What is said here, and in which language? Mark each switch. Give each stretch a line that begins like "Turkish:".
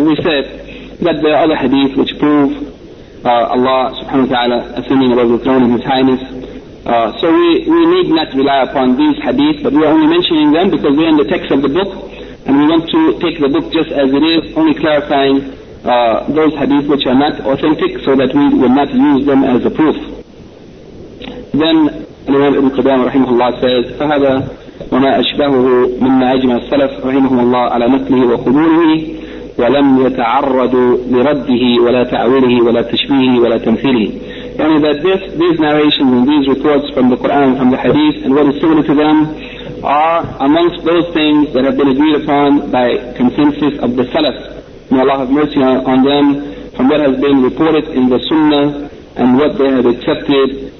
English: And we said that there are other hadith which prove Allah subhanahu wa ta'ala ascending above the throne of His Highness. So we need not rely upon these hadith, but we are only mentioning them because we are in the text of the book, and we want to take the book just as it is, only clarifying those hadith which are not authentic, so that we will not use them as a proof.
Arabic: Then الإمام ابن قدامة رحمه الله says فهذا وما أشبهه مما أجمع السلف رحمه الله على مثله وقبوله ولم يتعرض لرده ولا تعويله ولا تشبيهه ولا تمثيله.
English: يعني that these narrations and these reports from the Quran, from the Hadith, and what is similar to them are amongst those things that have been agreed upon by consensus of the Salaf. May Allah have mercy on them from what has been reported in the Sunnah and what they have accepted.